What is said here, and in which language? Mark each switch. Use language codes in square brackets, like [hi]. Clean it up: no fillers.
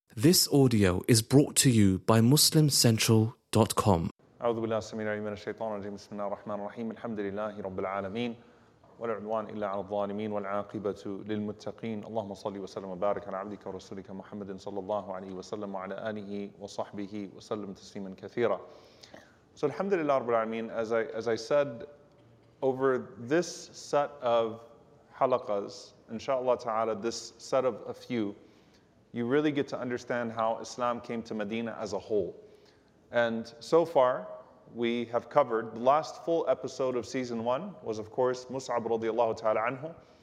[en] This audio is brought to you by MuslimCentral.com. [ar] أعوذ بالله السميع العليم من الشيطان الرجيم بسم الله الرحمن الرحيم الحمد لله رب العالمين والعدوان إلا على الظالمين والعاقبة للمتقين اللهم صل وسلم وبارك على عبدك ورسولك محمد صلى الله عليه وسلم وعلى آله وصحبه وسلم تسليما كثيرا. [en] So alhamdulillah rabbil alamin, as I said over this set of halaqas, inshallah ta'ala, this set of a few, you really get to understand how Islam came to Medina as a whole. And so far, we have covered the last full episode of season one was, of course, Mus'ab radiallahu ta'ala anhu.